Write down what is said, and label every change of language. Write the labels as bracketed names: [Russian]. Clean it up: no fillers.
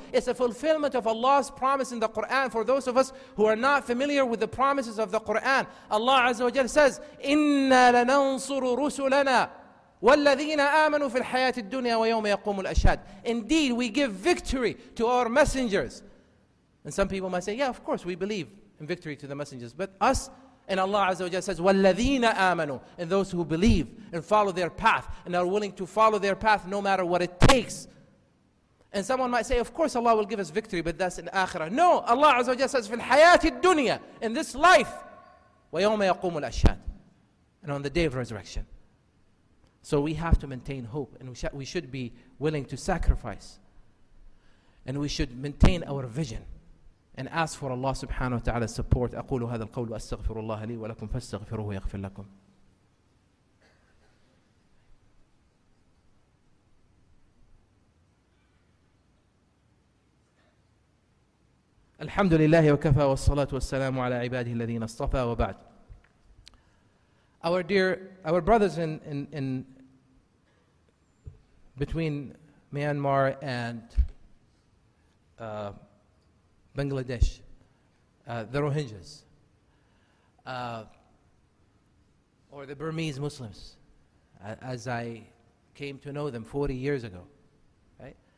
[English] It's a fulfillment of Allah's promise in the Quran for those of us who are not familiar with the promises of the Quran. [Arabic] Allah Azza wa Jalla says, إِنَّا لَنَنصُرُ رُسُلَنَا وَالَّذِينَ آمَنُوا فِي الْحَيَاةِ الدُّنْيَا وَيَوْمَ يَقُومُ الْأَشْهَادِ. [English] Indeed, we give victory to our messengers. And some people might say, yeah, of course, we believe in victory to the messengers. But us, and Allah Azza wa Jalla says, وَالَّذِينَ آمَنُوا. And those who believe and follow their path and are willing to follow their path no matter what it takes. And someone might say, of course Allah will give us victory, but that's in Akhirah. No, Allah Azza wa Jalla says, فِي الْحَيَاةِ الدُّنْيَا. In this life, وَيَوْمَ يَقُومُ الْأَشْهَادِ. And on the day of resurrection. So we have to maintain hope and we should be willing to sacrifice. And we should maintain our vision. And ask for Allah subhanahu wa ta'ala's support. [Arabic] أقول هذا القول وأستغفر الله لي ولكم فاستغفروه يغفر لكم. الحمد لله وكفى والصلاة والسلام على عباده الذين اصطفى وبعد. [English] Our brothers in between Myanmar and Bangladesh, the Rohingyas, or the Burmese Muslims, as I came to know them 40 years ago, right?